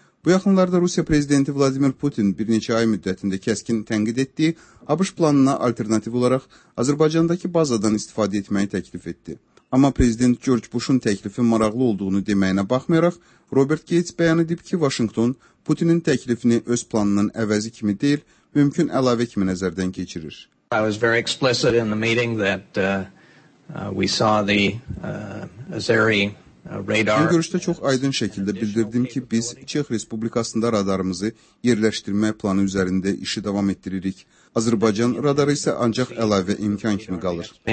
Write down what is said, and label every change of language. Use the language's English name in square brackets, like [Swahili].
[Azerbaijani] Bu yaxınlarda Rusiya Prezidenti Vladimir Putin bir neçə ay müddətində kəskin tənqid etdiyi ABŞ planına alternativ olaraq Azərbaycandakı bazadan istifadə etməyi təklif etdi. Amma Prezident George Bush'un təklifi maraqlı olduğunu deməyinə baxmayaraq, Robert Gates bəyan edib ki, Washington Putin'in təklifini öz planının əvəzi kimi deyil, mümkün əlavə kimi nəzərdən keçirir. [English] I was very explicit in the meeting that we saw the Azeri radar. [Azerbaijani] Bu görüşdə çox aydın şəkildə bildirdim ki, biz Çex Respublikasında radarımızı yerləşdirmək planı üzərində işi davam etdiririk. Azərbaycan radarı isə ancaq əlavə imkan kimi qalır.